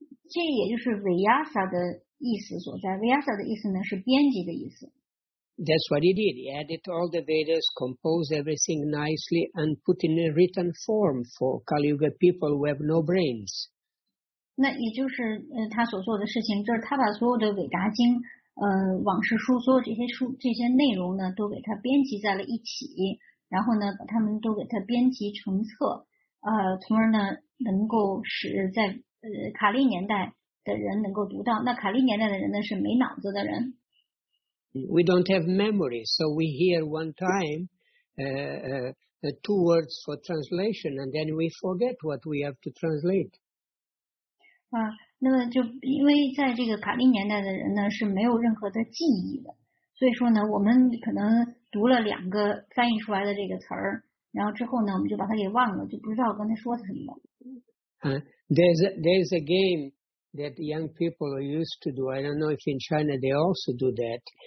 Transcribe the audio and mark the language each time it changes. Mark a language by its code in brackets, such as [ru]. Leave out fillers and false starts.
[zh] 这也就是 Vyasa 的意思所在。Vyasa 的意思呢是编辑的意思。 [en] That's what he did. He edited all the Vedas, composed everything nicely, and put in a written form for Kali Yuga people who have no brains. [zh] 那也就是他所做的事情，就是他把所有的韦达经、往事书，所有这些书、这些内容呢，都给他编辑在了一起，然后呢，把他们都给他编辑成册，从而呢，能够使在卡利年代的人能够读到。那卡利年代的人呢，是没脑子的人。 [en] We don't have memory, so we hear one time two words for translation, and then we forget what we have to translate. [zh] 啊，那么就因为在这个卡利年代的人呢是没有任何的记忆的，所以说呢，我们可能读了两个翻译出来的这个词儿，然后之后呢，我们就把它给忘了，就不知道跟他说什么了。 [en] There's a game that young people are used to do. I don't know if in China they also do that.